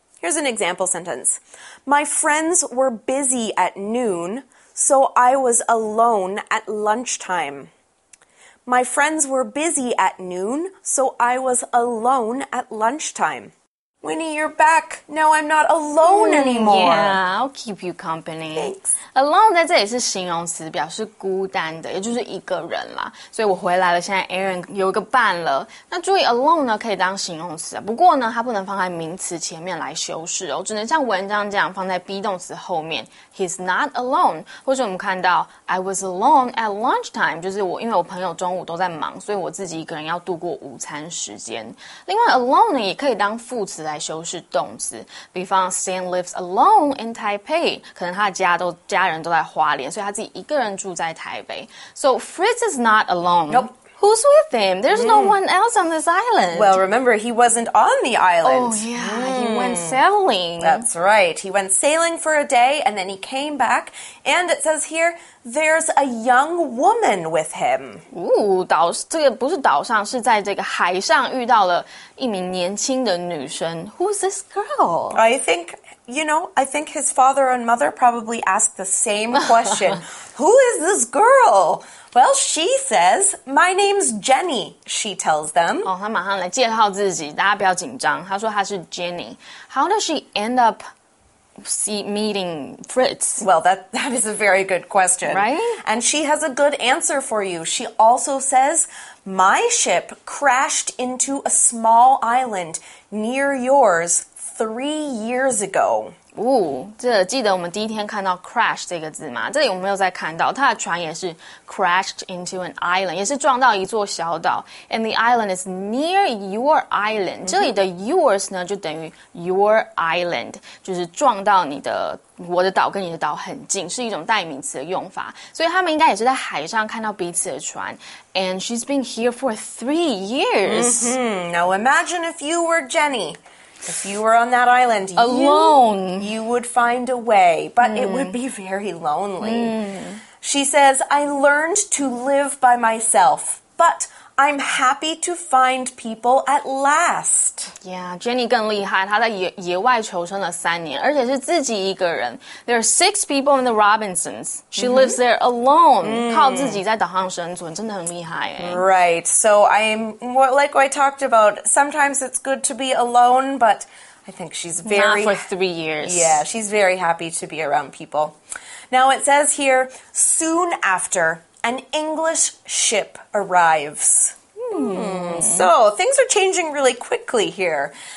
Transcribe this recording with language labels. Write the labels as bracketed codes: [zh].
[en] Here's an example sentence. My friends were busy at noon, so I was alone at lunchtime. My friends were busy at noon, so I was alone at lunchtime. Winnie, you're back. Now I'm not alone anymore. Yeah, I'll keep you company. Thanks. [zh] Alone 在这里是形容词，表示孤单的，也就是一个人啦。所以我回来了，现在 Aaron 有一个伴了。那注意 alone 呢，可以当形容词，不过呢，它不能放在名词前面来修饰哦，只能像文章这样放在 be 动词后面。 [en] He's not alone. [zh] 或者我们看到 I was alone at lunchtime，就是我因为我朋友中午都在忙，所以我自己一个人要度过午餐时间。另外 alone 呢，也可以当副词。来修饰动词，比方 Stan lives alone in Taipei，可能他的家人都在花莲，所以他自己一个人住在台北。 [en] So Fritz is not alone. Nope. Who's with him? There's no one else on this island. Well, remember, he wasn't on the island. Oh, yeah. He went sailing. That's right. He went sailing for a day and then he came back. And it says here, there's a young woman with him. [zh] Ooh, 岛这个不是岛上，是在这个海上遇到了一名年轻的女生。 [en] Who's this girl? I think his father and mother probably asked the same question. Who is this girl? Well, she says, my name's Jenny, she tells them. [zh] Oh, 她马上来介绍自己，大家不要紧张。她说她是 Jenny. [en] How does she end up meeting Fritz? Well, that is a very good question. Right? And she has a good answer for you. She also says, my ship crashed into a small island near yours 3 years ago. [zh] Ooh, 这记得我们第一天看到 crash 这个字吗？这里我们又再看到，它的船也是 crashed into an island, 也是撞到一座小岛。 [en] And the island is near your island. [zh] 这里的 yours 呢，就等于 your island, 就是撞到你的我的岛跟你的岛很近，是一种代名词的用法。所以他们应该也是在海上看到彼此的船。 [en] And she's been here for 3 years. Now imagine if you were Jenny. If you were on that island, alone, you would find a way, but it would be very lonely. She says, I learned to live by myself, but I'm happy to find people at last. [zh] Yeah, Jenny 更厉害，她在野外求生了3年，而且是自己一个人。 [en] There are 6 people in the Robinsons. [zh] She lives there alone, 靠自己在岛上生存，真的很厉害耶。 [en] Right, so like I talked about, sometimes it's good to be alone, but I think she's very... Not for 3 years. Yeah, she's very happy to be around people. Now it says here, soon after... An English ship arrives. So things are changing really quickly here.